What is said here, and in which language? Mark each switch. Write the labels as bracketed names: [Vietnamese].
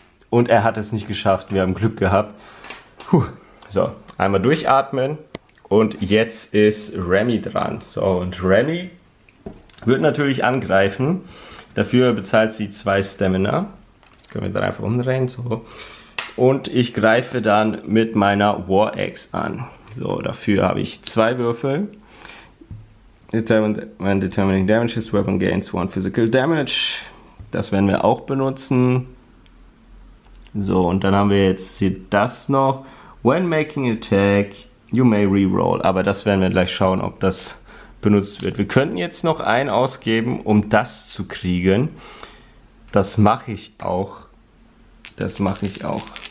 [German] Und er hat es nicht geschafft, wir haben Glück gehabt. Puh. So, einmal durchatmen und jetzt ist Remy dran. So, und Remy wird natürlich angreifen. Dafür bezahlt sie 2 Stamina. Können wir dann einfach umdrehen, so. Und ich greife dann mit meiner War Axe an. So, dafür habe ich 2 Würfel. [English] When determining damage, his weapon gains 1 physical damage. [German] Das werden wir auch benutzen. So, und dann haben wir jetzt hier das noch. [English] When making an attack, you may reroll. [German] Aber das werden wir gleich schauen, ob das benutzt wird. Wir könnten jetzt noch einen ausgeben, um das zu kriegen. Das mache ich auch. Das mache ich auch.